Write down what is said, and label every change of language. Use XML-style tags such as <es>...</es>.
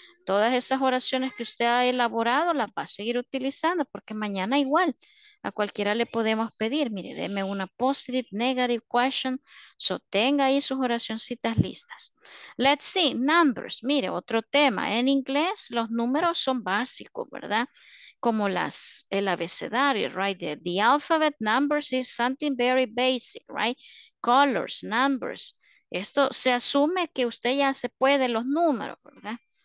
<es>Todas esas oraciones que usted ha elaborado las va a seguir utilizando, porque mañana igual a cualquiera le podemos pedir, mire, deme una</es> <en>positive, negative question,</en> <es>so tenga ahí sus oracioncitas listas. Let's see, numbers, mire, otro tema, en inglés los números son básicos, ¿verdad? Como las, el abecedario, right?</es> <en>The alphabet, numbers is something very basic, right?</en> <es>Colors, numbers, esto se asume que usted ya se puede los números, ¿verdad?</es>